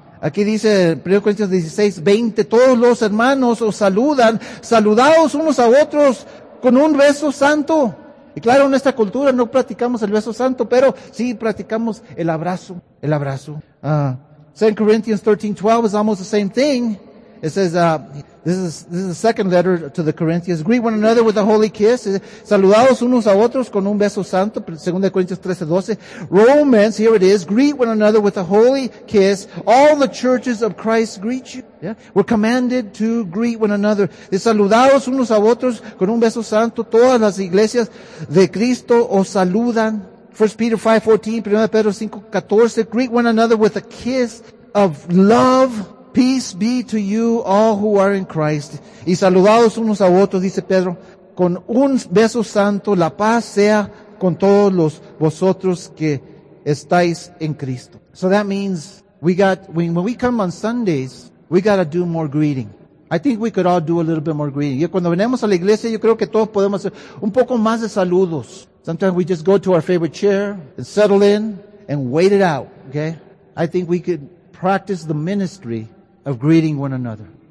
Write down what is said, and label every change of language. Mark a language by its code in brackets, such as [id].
[es] Aquí dice, 1 Corintios 16, 20, todos los hermanos os saludan, saludaos unos a otros con un beso santo. Y claro, en nuestra cultura no practicamos el beso santo, pero sí practicamos el abrazo. [en] 2 Corinthians 13, 12 is almost the same thing. It says, this is the second letter to the Corinthians. Greet one another with a holy kiss. [es] Saludaos unos a otros con un beso santo. [en] 2 Corinthians 13, 12. Romans, here it is. Greet one another with a holy kiss. All the churches of Christ greet you. Yeah? We're commanded to greet one another. [es] Saludaos unos a otros con un beso santo. Todas las iglesias de Cristo os saludan. 1 Peter 5, 14. 1 Pedro 5, 14. [en] Greet one another with a kiss of love. Peace be to you all who are in Christ. [es] Y saludados unos a otros, dice Pedro, con un beso santo, la paz sea con todos los vosotros que estáis en Cristo. [en] So that means when we come on Sundays, we got to do more greeting. I think we could all do a little bit more greeting. [es] Cuando venimos a la iglesia, yo creo que todos podemos hacer un poco más de saludos. [en] Sometimes we just go to our favorite chair and settle in and wait it out, okay? I think we could practice the ministry of greeting one another.